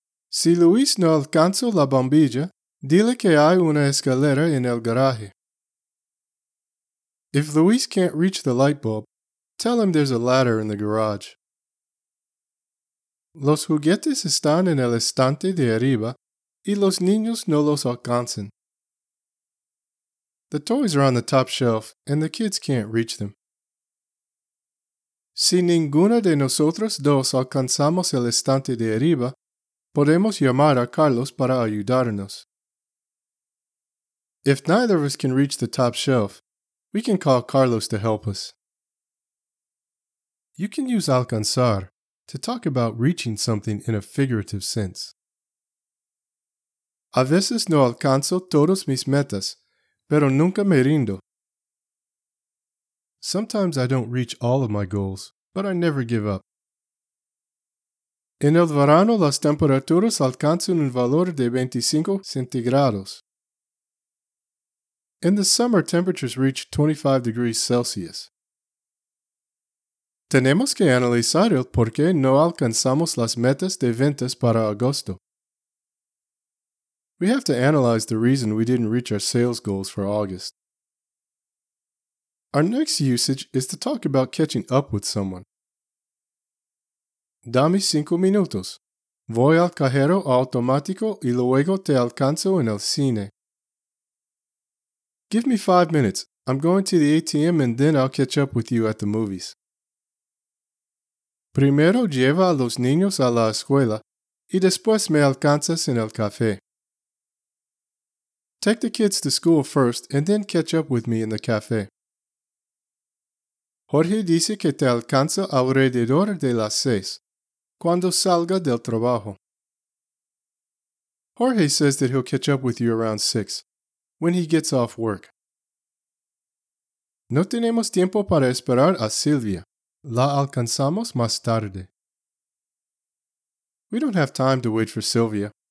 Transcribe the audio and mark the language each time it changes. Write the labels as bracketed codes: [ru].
[es] Si Luis no alcanzó la bombilla, dile que hay una escalera en el garaje. [en] If Luis can't reach the light bulb, tell him there's a ladder in the garage. [es] Los juguetes están en el estante de arriba y los niños no los alcanzan. [en] The toys are on the top shelf and the kids can't reach them. [es] Si ninguna de nosotros dos alcanzamos el estante de arriba, podemos llamar a Carlos para ayudarnos. [en] If neither of us can reach the top shelf, we can call Carlos to help us. You can use alcanzar to talk about reaching something in a figurative sense. [es] A veces no alcanzo todos mis metas, pero nunca me rindo. [en] Sometimes I don't reach all of my goals, but I never give up. [es] En el verano las temperaturas alcanzan un valor de 25 centígrados. [en] In the summer, temperatures reach 25 degrees Celsius. [es] Tenemos que analizar el por qué no alcanzamos las metas de ventas para agosto. [en] We have to analyze the reason we didn't reach our sales goals for August. Our next usage is to talk about catching up with someone. [es] Dame 5 minutos. Voy al cajero automático y luego te alcanzo en el cine. [en] Give me 5 minutes. I'm going to the ATM and then I'll catch up with you at the movies. [es] Primero lleva a los niños a la escuela y después me alcanzas en el café. [en] Take the kids to school first and then catch up with me in the café. [es] Jorge dice que te alcanza alrededor de las 6, cuando salga del trabajo. [en] Jorge says that he'll catch up with you around 6, when he gets off work. [es] No tenemos tiempo para esperar a Silvia. La alcanzamos más tarde. [en] We don't have time to wait for Silvia.